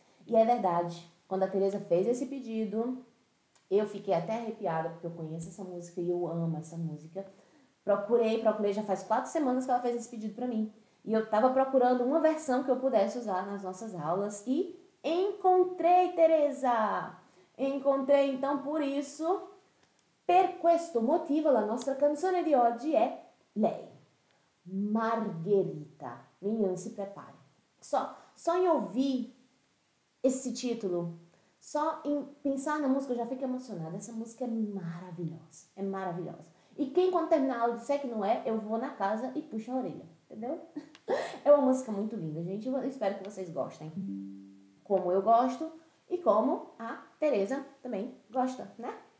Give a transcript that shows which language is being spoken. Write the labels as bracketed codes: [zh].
[pt] E é verdade, quando a Tereza fez esse pedido, eu fiquei até arrepiada, porque eu conheço essa música e eu amo essa música. Procurei, já faz 4 semanas que ela fez esse pedido para mim. E eu tava procurando uma versão que eu pudesse usar nas nossas aulas e encontrei, Tereza! Encontrei, então, por isso... [it] Per questo motivo, la nostra canzone di oggi è lei, Margherita. [pt] Meninas, se preparem. Só em ouvir esse título, só em pensar na música, eu já fico emocionada. Essa música é maravilhosa, é maravilhosa. E quem quando terminar a aula disser que não é, eu vou na casa e puxo a orelha, entendeu? É uma música muito linda, gente. Eu espero que vocês gostem. Como eu gosto e como a Tereza também gosta, né?